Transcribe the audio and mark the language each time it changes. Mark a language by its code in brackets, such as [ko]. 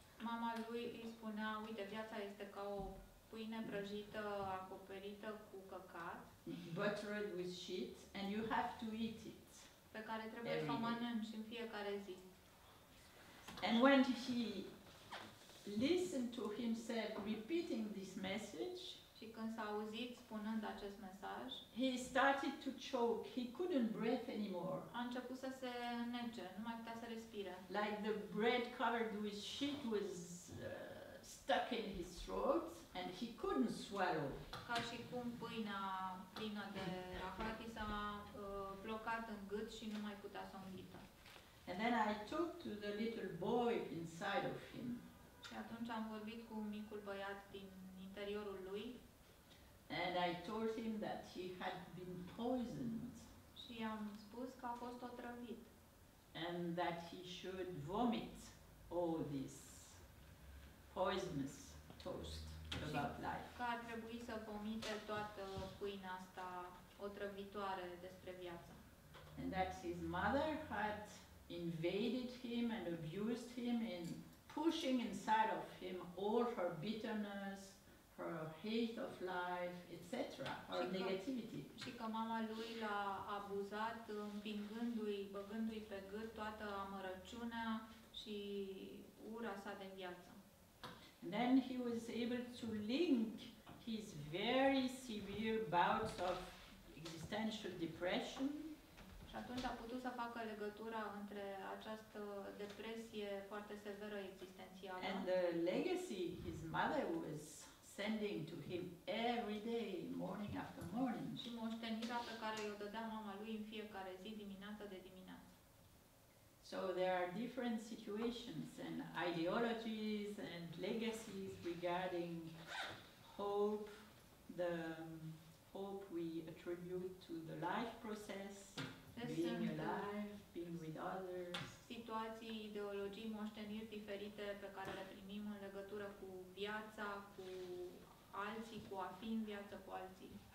[ro] Mama lui îi spunea, uite, viața este ca o pâine prăjită acoperită cu căcat. [en] Buttered with sheet and you have to eat it. [ro] Pe care trebuie să o mănânci în fiecare zi. [en] And when he listened to himself repeating this message, [ro] și când s-a auzit spunând acest mesaj, [en] he started to choke. He couldn't breathe anymore. [ro] A început să se nece, nu mai putea să respire. [en] Like the bread covered with sheet was stuck in his throat and he couldn't swallow. [ro] Ca și cum pâinea plină de rahat s-a blocat în gât și nu mai putea să o înghită. [en] And then I talked to the little boy inside of him. [ro] Și atunci am vorbit cu micul băiat din interiorul lui. [en] And I told him that he had been poisoned. [ro] Și am spus că a fost otrăvit. [en] And that he should vomit all this poisonous toast about life. [ro] Că ar trebui să vomite toată pâinea asta otrăvitoare despre viață. [en] And that his mother had invaded him and abused him in pushing inside of him all her bitterness, her hate of life, etc., her negativity. [ro] Și că mama lui l-a abuzat împingându-i, băgându-i pe gât toată amărăciunea și ura sa de viață. [en] And then he was able to link his very severe bouts of existential depression. [ro] Și atunci a putut să facă legătura între această depresie foarte severă existențială. [en] And the legacy his mother was sending to him every day, morning after morning. [ro] Și moștenirea pe care i-o dădea mama lui în fiecare zi, dimineață de dimineață. [en] So there are different situations and ideologies and legacies regarding hope, the hope we attribute to the life process, being alive, being with others. [ro] Situații, ideologii, moșteniri diferite pe care le primim în legătură cu viața, cu alții, cu a fi în viață cu alții.